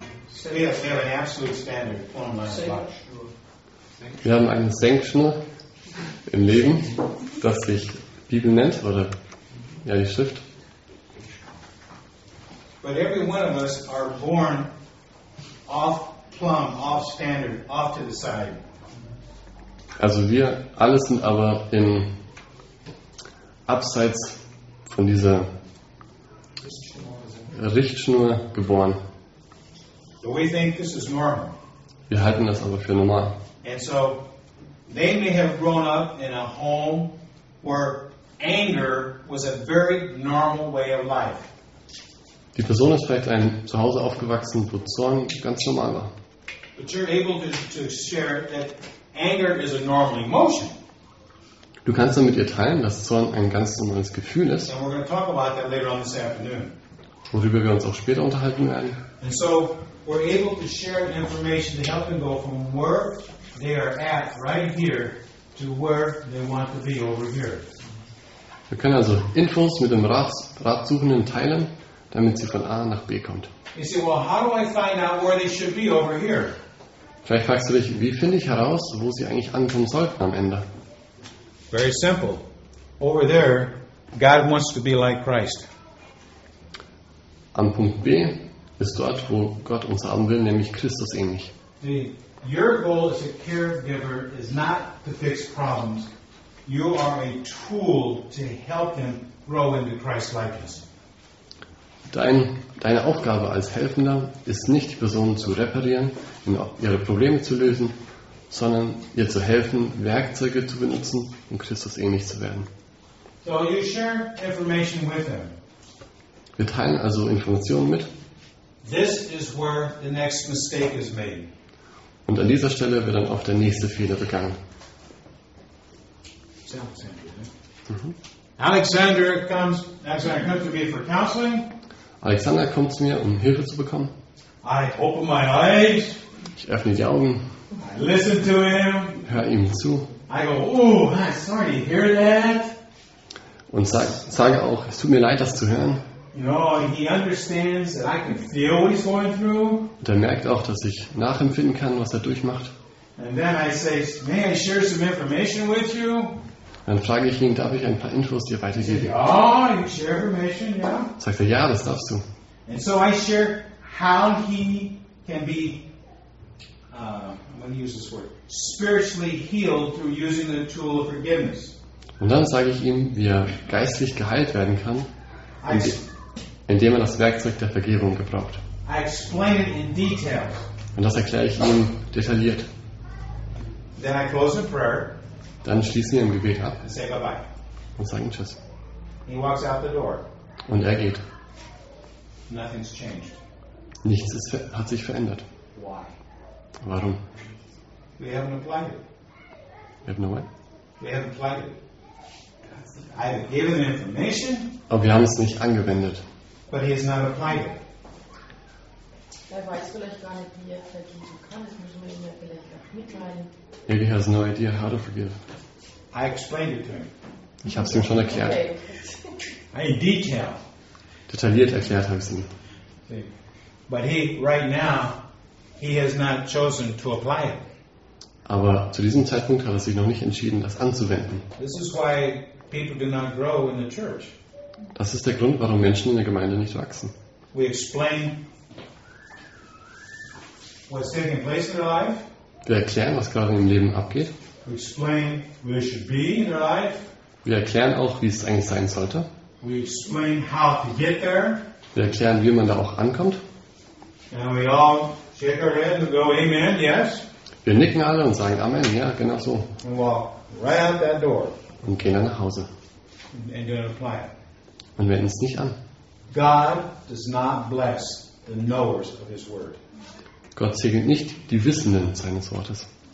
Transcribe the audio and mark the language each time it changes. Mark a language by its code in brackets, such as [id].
[en] So we have an absolute standard plumb line of life. [de] Wir haben einen Senkschnur im Leben, das sich Bibel nennt, oder ja, die Schrift. [en] But every one of us are born off plumb, off standard, off to the side. [de] Also wir alle sind aber in abseits von dieser Richtschnur geboren. [en] So we think this is normal. [de] Wir halten das aber für normal. [en] And so they may have grown up in a home where anger was a very normal way of life. [de] Die Person ist vielleicht ein Zuhause aufgewachsen, wo Zorn ganz normal war. [en] But you're able to share that anger is a normal emotion. [de] Du kannst dann mit ihr teilen, dass Zorn ein ganz normales Gefühl ist. [en] And we're going to talk about that later on this afternoon. [de] Worüber wir uns auch später unterhalten werden. [en] And so we're able to share information to help them go from where they are at right here to where they want to be over here. [de] Wir können also Infos mit dem Ratsuchenden teilen, damit sie von A nach B kommt. [en] You say, well, how do I find out where they should be over here? [de] Vielleicht fragst du dich, wie finde ich heraus, wo sie eigentlich ankommen sollten am Ende? [en] Very simple. Over there, God wants to be like Christ. [de] Am Punkt B ist dort, wo Gott uns haben will, nämlich Christus ähnlich. [en] Your goal as a caregiver is not to fix problems. You are a tool to help them grow into Christ-likeness. [de] Deine Aufgabe als Helfender ist nicht, die Person zu reparieren, ihre Probleme zu lösen, sondern ihr zu helfen, Werkzeuge zu benutzen, um Christus ähnlich zu werden. [en] So you share information with them. [de] Wir teilen also Informationen mit. [en] This is where the next mistake is made. [de] Und an dieser Stelle wird dann oft der nächste Fehler begangen. [en] Alexander comes to me for counseling. [de] Alexander kommt zu mir, um Hilfe zu bekommen. [en] I open my eyes. [de] Ich öffne die Augen. [en] I listen to him. [de] Hör ihm zu. [en] I go, oh, sorry to hear that. [de] Und sage auch, es tut mir leid, das zu hören. [en] He understands that I can feel what he's going through. [de] Und er merkt auch, dass ich nachempfinden kann, was er durchmacht. [en] And then I say, may I share some information with you? [de] Dann frage ich ihn, darf ich ein paar Infos dir weitergeben? [en] You share information, yeah? [de] Sagt er, ja, das darfst du. [en] And so I share how he can be, I'm going to use this word, spiritually healed through using the tool of forgiveness. [de] Und dann sage ich ihm, wie er geistlich geheilt werden kann, indem er das Werkzeug der Vergebung gebraucht. [en] I explain it in detail. [de] Und das erkläre ich ihm detailliert. [en] Then I close in prayer. [de] Dann schließen wir im Gebet ab [en] and say bye-bye. [de] Und sagen Tschüss. [en] He walks out the door. [de] Und er geht. [en] Nothing's changed. [de] Nichts hat sich verändert. [en] Why? [de] Warum? [en] We haven't applied it. We have no way. We haven't applied it. I have given him information. [de] Aber wir haben es nicht angewendet. [en] But he has not applied it. [de] Er weiß vielleicht gar nicht, wie er vergeben kann. Das müssen wir ihm ja vielleicht auch mitteilen. [en] Maybe he has no idea how to forgive. I explained it to him. [de] Ich habe es ihm schon erklärt. [en] Okay. In detail. [de] Detailliert erklärt habe ich es ihm. [en] But he, right now, he has not chosen to apply it. [de] Aber zu diesem Zeitpunkt hat er sich noch nicht entschieden, das anzuwenden. [en] This is why people do not grow in the church. [de] Das ist der Grund, warum Menschen in der Gemeinde nicht wachsen. [en] We explain what's taking place in their life. [de] Wir erklären, was gerade im Leben abgeht. [en] We explain where it should be in their life. [de] Wir erklären auch, wie es eigentlich sein sollte. [en] We explain how to get there. [de] Wir erklären, wie man da auch ankommt. [en] And we all shake our heads and go, amen, yes. [de] Wir nicken alle und sagen Amen, ja, genau so. [en] And walk right out that door. [de] Und gehen dann nach Hause. [en] And don't apply it. [de] Und wenden es nicht an. [en] God does not bless the knowers of his word. [de] Gott segnet nicht die Wissenden seines Wortes.